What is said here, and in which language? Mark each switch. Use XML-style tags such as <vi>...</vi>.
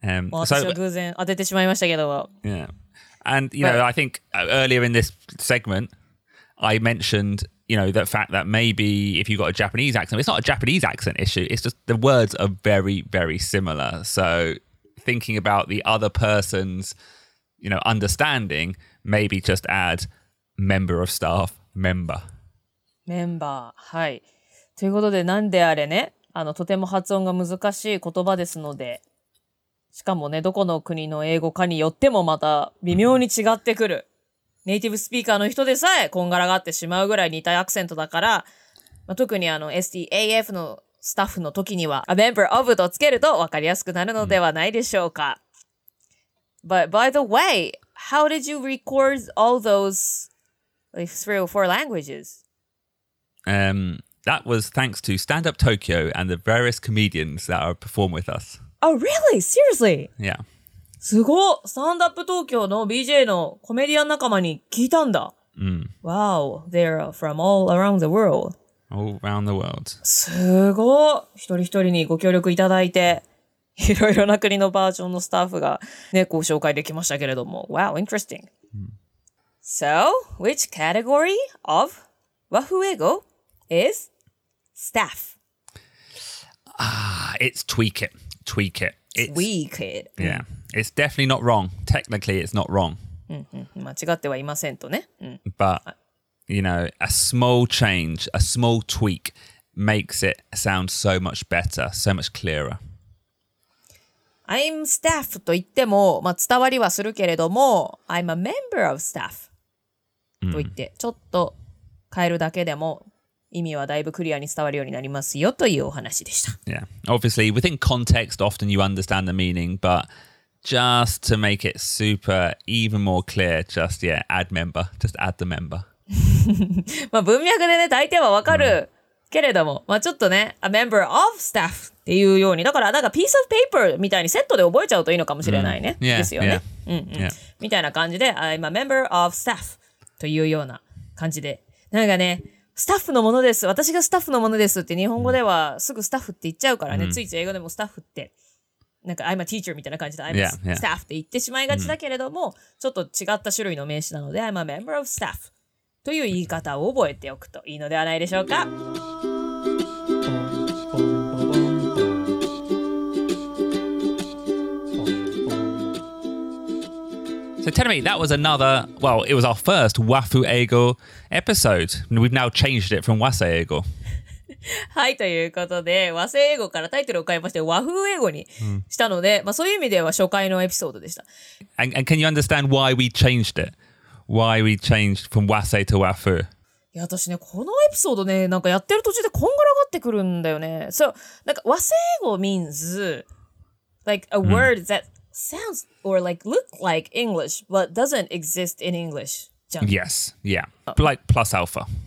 <ja>私は偶然当ててしまいましたけど。</ja> <en>Yeah. And, you know, I think earlier in this segment, I mentioned, you know, the fact that maybe if you've got a Japanese accent, it's not a Japanese accent issue, it's just the words are very, very similar. So thinking about the other person's... You know, understanding, maybe just add member of staff, member. Member, はい。</en> <ja>ということで、なんであれね、あの、とても発音が難しい言葉ですので、しかもね、どこの国の英語かによってもまた微妙に違ってくる。ネイティブスピーカーの人でさえ、こんがらがってしまうぐらい似たアクセントだから、まあ、特にあの、STAF のスタッフの時には、</ja> <en>a member of</en> <ja>とつけると分かりやすくなるのではないでしょうか。</ja> <en>But by the way, how did you record all those like, three or four languages? That was thanks to Stand Up Tokyo and the various comedians that are perform with us. Oh, really? Seriously? Yeah.</en> <ja>すごい Stand Up Tokyo の BJ のコメディアン仲間に聞いたんだ。</ja> <en>Wow, they're from all around the world. All around the world.</en> <ja>すごい一人一人にご協力いただいて。いろいろな国のバージョンのスタッフがね、こう紹介できましたけれども。</ja> <en>Wow, interesting.、Mm. So, which category of Wahoo-ego is staff? Ah, it's tweak it. Tweak it. Tweak it. Yeah. It's definitely not wrong. Technically, it's not wrong.</en> <ja>間違ってはいませんとね。</ja> <en>But, you know, a small change, a small tweak makes it sound so much better, so much clearer. I'm staff</en> <ja>と言っても、まあ、伝わりはするけれども、</ja> <en>I'm a member of staff</en> <ja>と言って、ちょっと変えるだけでも意味はだいぶクリアに伝わるようになりますよというお話でした。</ja> <en>Yeah, obviously within context often you understand the meaning, but just to make it super even more clear, just yeah, add member, just add the member.</en> <ja>まあ文脈でね、大抵はわかる。 Mm. けれども、まあ、ちょっとね、</ja> <en>a member of staff</en> <ja>っていうように、だからなんか</ja> <en>piece of paper</en> <ja>みたいにセットで覚えちゃうといいのかもしれないね。Mm.</ja> <en>Yeah,</en> <ja>ですよね。</ja> <en>Yeah.</en> <ja>うんうん。Yeah. みたいな感じで、</ja> <en>I'm a member of staff</en> <ja>というような感じで。なんかね、スタッフのものです。私がスタッフのものですって日本語ではすぐスタッフって言っちゃうからね。Mm. ついつい英語でもスタッフって。なんか</ja> <en>I'm a teacher</en> <ja>みたいな感じで</ja> <en>I'm a staff</en> <ja>って言ってしまいがちだけれども、うん、ちょっと違った種類の名詞なので</ja> <en>I'm a member of staff</en> <ja>という言い方を覚えておくといいのではないでしょうか。</ja> <en>So tell me, that was another, well, it was our first Wafu Eigo episode. We've now changed it from Wase Eigo. はい、ということで、Wase Eigo からタイトルを変えまして、Wafu Eigo にしたので、まあ、そういう意味では初回のエピソードでした。 And can you understand why we changed it? Why we changed from Wase to Wafu?</en> <ja>いや、私ね、このエピソードね、なんかやってる途中でこんがらがってくるんだよね。</ja> <en>So,</en> <ja>なんか</ja> <en>Wase Eigo means, like, a word that... Sounds or like look like English, but doesn't exist in English. Yes, yeah. Like plus alpha.</en>